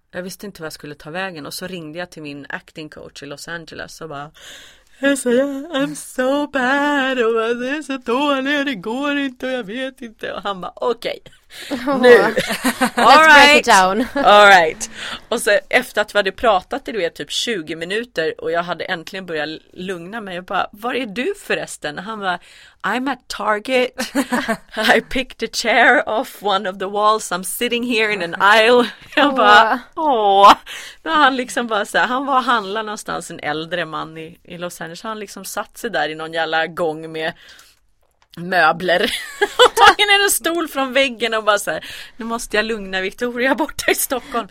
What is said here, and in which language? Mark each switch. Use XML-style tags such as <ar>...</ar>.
<sv>Jag visste inte vad jag skulle ta vägen. Och så ringde jag till min acting coach i Los Angeles och bara,</sv> <en>I'm so bad,</en> <sv>och jag är så dålig, det går inte och jag vet inte. Och han bara, okej, nu.</sv> <en>All right. Let's break it down. All right.</en> <sv>Och så efter att vi hade pratat i typ 20 minuter och jag hade äntligen börjat lugna mig, jag bara, var är du förresten? Han var,</sv> <en>I'm at Target. I picked a chair off one of the walls. I'm sitting here in an aisle.</en> <sv>Jag bara, åh. Men han liksom bara så här, han var handla någonstans, en äldre man i Los Angeles. Han liksom satt sig där i någon jävla gång med möbler och tagit ner en stol från väggen och bara så här, nu måste jag lugna Victoria borta i Stockholm.</sv>